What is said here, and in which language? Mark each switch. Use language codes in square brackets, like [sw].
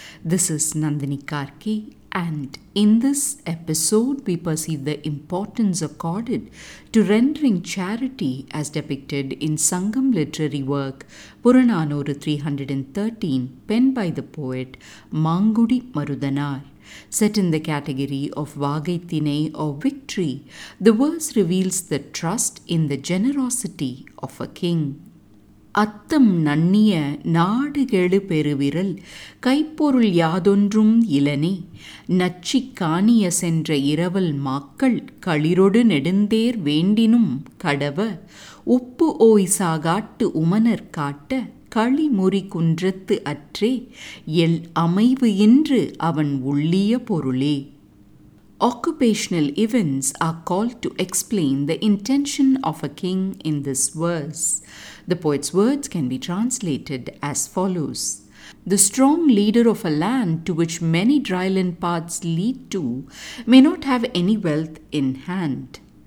[en] This is Nandini Karki, and in this episode we perceive the importance accorded to rendering charity as depicted in Sangam literary work Puranaanooru 313, penned by the poet Mangudi Maruthanaar. Set in the category of Vaagai Thinai or victory, the verse reveals the trust in the generosity of a king. [ta] அத்தம் நண்ணிய நாடுகெழு பெருவிரல் கைப்பொருள் யாதொன்றும் இலனே நச்சி காணிய சென்ற இரவல் மாக்கள் களிரொடு நெடுந்தேர் வேண்டினும் கடவ உப்பு ஓய் சாகாட்டு உமனர் காட்ட களிமுறி குன்றத்து அற்றே L அமைவு இன்று அவன் உள்ளிய பொருளே. [en] Occupational events are called to explain the intention of a king in this verse. The poet's words can be translated as follows. The strong leader of a land to which many dryland paths lead to may not have any wealth in hand.